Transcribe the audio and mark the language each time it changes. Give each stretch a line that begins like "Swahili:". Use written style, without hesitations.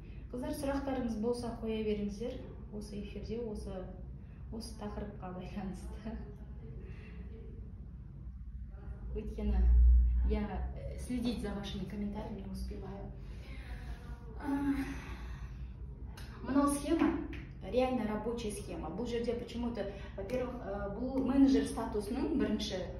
Kazakh: Қыздар, сұрақтарыңыз болса қоя беріңіздер осы эфирде, осы тақырыпқа байланысты. Өйткені
Russian: я следить за вашими комментариями не успеваю.
Kazakh: Мынау
Russian: схема, реально рабочая схема.
Kazakh: Бұл жерде
Russian: почему-то, во-первых,
Kazakh: бұл менеджер статусының бірінші.